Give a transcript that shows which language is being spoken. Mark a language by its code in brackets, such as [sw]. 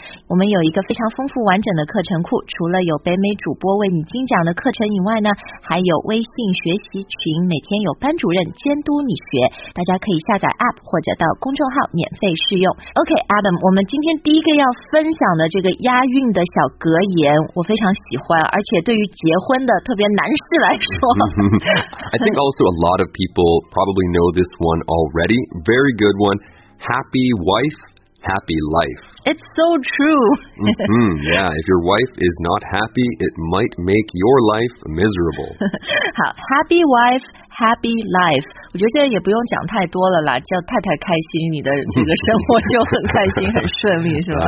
[zh] 我们有一个非常丰富完整的课程库，除了有北美主播为你精讲的课程以外呢，还有微信学习群，每天有班主任监督你学，大家可以下载 APP 或者到公众号免费试用。 OK Adam, 我们今天第一个要分享的这个押韵的小格言我非常喜欢，而且对于结婚的特别男士来 [en] I think also a lot of people probably know this one already. Very good one. Happy wife, happy life. It's so true. Yeah, if your wife is not happy, it might make your life miserable. 好 ,happy wife, happy life. [zh] 我觉得这个也不用讲太多了啦，叫太太开心，你的这个生活就很开心很顺利，是吧？